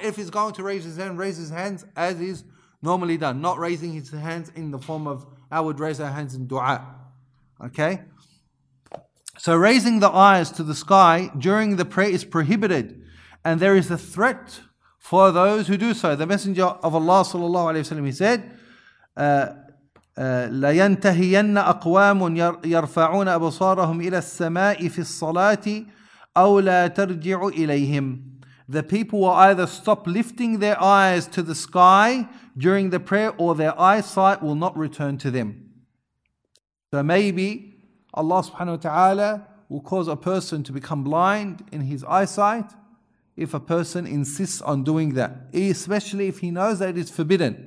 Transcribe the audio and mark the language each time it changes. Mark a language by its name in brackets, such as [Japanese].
[English] If he's going to raise his hand, raise his hands as is normally done, not raising his hands in the form of I would raise our hands in dua. Okay? So raising the eyes to the sky during the prayer is prohibited, and there is a threat for those who do so. The Messenger of Allah sallallahu alaihi wasallam, he said, [Arabic] "لينتهين أقوام يرفعون أبصارهم إلى السماء في الصلاة أو لا ترجع إليهم." [English] The people will either stop lifting their eyes to the sky during the prayer, or their eyesight will not return to them. So maybe Allah subhanahu wa ta'ala will cause a person to become blind in his eyesight if a person insists on doing that, especially if he knows that it is forbidden.